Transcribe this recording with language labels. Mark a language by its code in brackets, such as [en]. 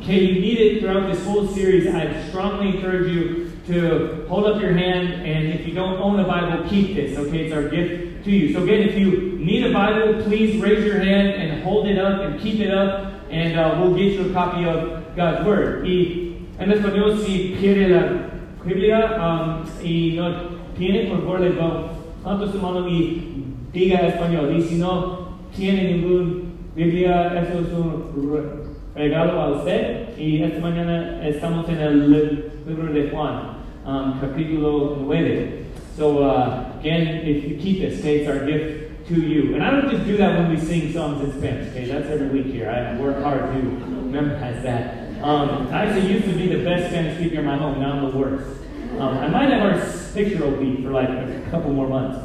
[en] Okay, you need it throughout this whole series. I strongly encourage you to hold up your hand, and if you don't own a Bible, keep this. Okay, it's our gift to you. So again, if you need a Bible, please raise your hand and hold it up and keep it up, and we'll get you a copy of God's Word. [es] En español, si quiere la Biblia y no tiene, por favor, le levante su mano y diga español. Y si no tiene ningún Biblia, eso es un regalo a usted. Y esta mañana estamos en el libro de Juan, capítulo 9. [en] So, again, if you keep it, okay, it's our gift to you. And I don't just do that when we sing songs in Spanish, okay? That's every week here. I work hard to memorize that. I actually used to be the best Spanish speaker in my home. Now I'm the worst. I might have our picture OB for like a couple more months.